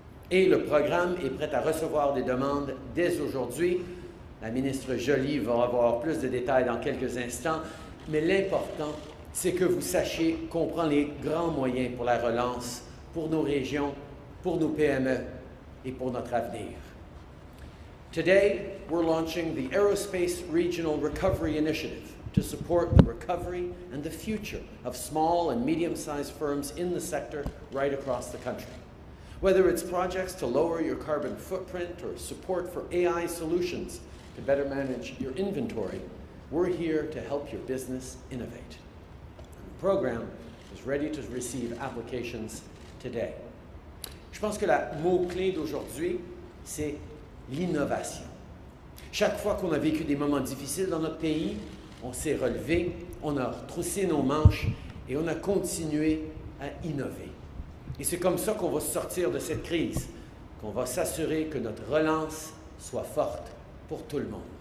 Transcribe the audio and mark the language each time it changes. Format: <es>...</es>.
<fr>Et le programme est prêt à recevoir des demandes dès aujourd'hui. La ministre Joly va avoir plus de détails dans quelques instants, mais l'important, c'est que vous sachiez qu'on prend les grands moyens pour la relance, pour nos régions, pour nos PME et pour notre avenir.</fr> <en>Today, we're launching the Aerospace Regional Recovery Initiative to support the recovery and the future of small and medium-sized firms in the sector right across the country. Whether it's projects to lower your carbon footprint or support for AI solutions to better manage your inventory, we're here to help your business innovate. The program is ready to receive applications today.</en> <fr>Je pense que la mot-clé d'aujourd'hui, c'est l'innovation. Chaque fois qu'on a vécu des moments difficiles dans notre pays, on s'est relevé, on a retroussé nos manches et on a continué à innover. Et c'est comme ça qu'on va sortir de cette crise, qu'on va s'assurer que notre relance soit forte pour tout le monde.</fr>